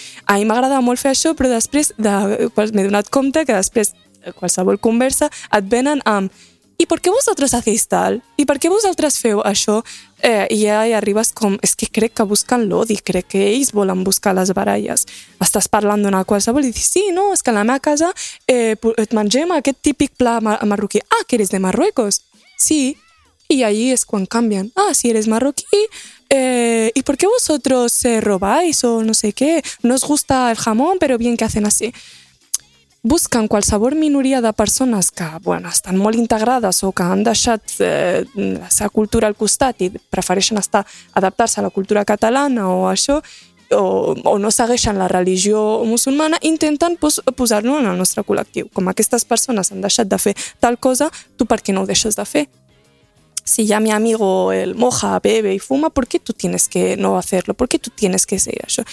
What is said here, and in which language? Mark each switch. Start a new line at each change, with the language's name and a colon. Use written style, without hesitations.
Catalan: A mi m'agrada molt fer això, però després m'he donat compte que després qualsevol conversa et venen amb «I per què vosaltres
Spanish: hacéis tal?
Catalan: I per què vosaltres feu això?» I ja hi arribes com «És que crec que busquen l'odi, crec que ells volen buscar les baralles». Estàs parlant d'una qualsevol i dius «Sí, no, és que a la meva casa et mengem aquest típic pla marroquí».
Spanish: «Ah, que eres de Marruecos?» «Sí».
Catalan: I allí és quan canvien.
Spanish: «Ah, si eres marroquí, ¿y por qué vosotros robáis o no sé qué? No os gusta el jamón, pero bien que hacen así».
Catalan: Busquen qualsevol minoria de persones que, bueno, estan molt integrades o que han deixat la seva cultura al costat i prefereixen adaptar-se a la cultura catalana o això, o no segueixen la religió musulmana, intenten posar-lo en el nostre col·lectiu. Com aquestes persones han deixat de fer tal cosa, tu per què no ho deixes de fer?
Spanish: Si ya mi amigo el moja, bebe y fuma, ¿por qué tú tienes que no hacerlo? ¿Por qué tú tienes que ser eso?